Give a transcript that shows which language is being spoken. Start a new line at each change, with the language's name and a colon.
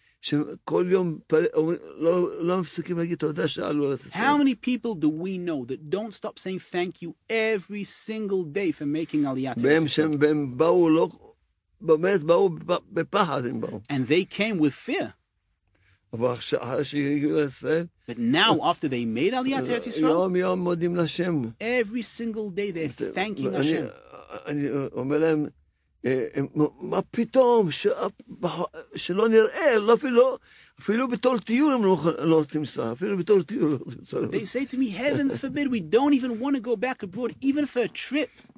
English: How many people do we know that don't stop saying thank you every single day for making Aliyah? And they came with fear. But now, after they made Aliyah to Eretz Yisrael, every single day they're thanking Hashem.
Hebrew: מה פתאום שלא נראה, אפילו בתור תיור הם לא רוצים לנסוע, אפילו בתור תיור לא רוצים לנסוע.
English: They say to me, heavens forbid, we don't even want to go back abroad, even for a trip.